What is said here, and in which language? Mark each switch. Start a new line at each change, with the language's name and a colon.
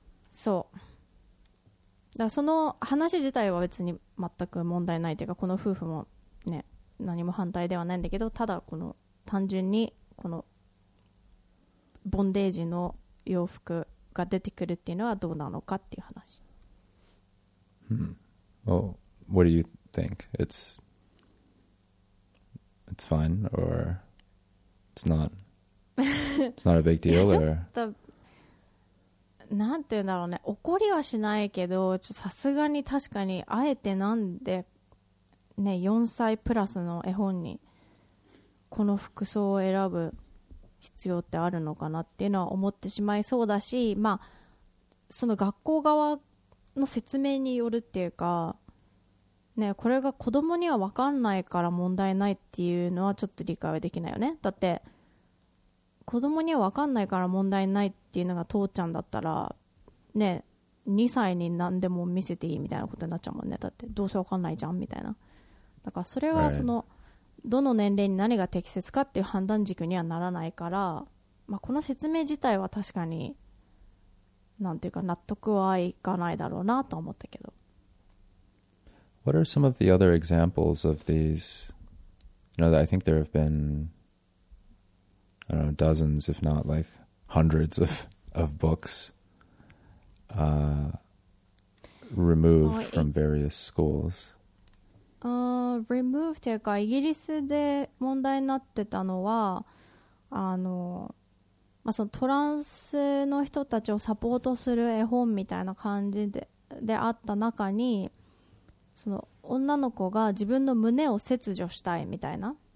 Japanese: そうだ、その話自体は別に全く問題ないというか、この夫婦もね何も反対ではないんだけど、ただこの単純にこのボンデージの洋服が出てくるっていうのはどうなのかっていう話。
English: Well, what do you think? It's fine, or it's not a big deal.
Japanese: ちょっとなんていうんだろうね、怒りはしないけど、ちょっとさすがに確かにあえてなんでね4歳プラスの絵本にこの服装を選ぶ必要ってあるのかなっていうのは思ってしまいそうだし、まあその学校側の説明によるっていうか。ね、これが子供には分かんないから問題ないっていうのはちょっと理解はできないよね。だって子供には分かんないから問題ないっていうのが父ちゃんだったらね、2歳に何でも見せていいみたいなことになっちゃうもんね。だってどうせ分かんないじゃんみたいな。だからそれはその、はい、どの年齢に何が適切かっていう判断軸にはならないから、まあ、この説明自体は確かになんていうか納得はいかないだろうなと思ったけど。
English: What are some of the other examples of these? You know, I think there have been, I don't know, dozens, if not like hundreds of books removed from various schools.
Japanese: Removed というか、イギリスで問題になってたのは、あの、まあ、そのトランスの人たちをサポートする絵本みたいな感じで、であった中に、その女の子が自分の胸を切除したいみたいな、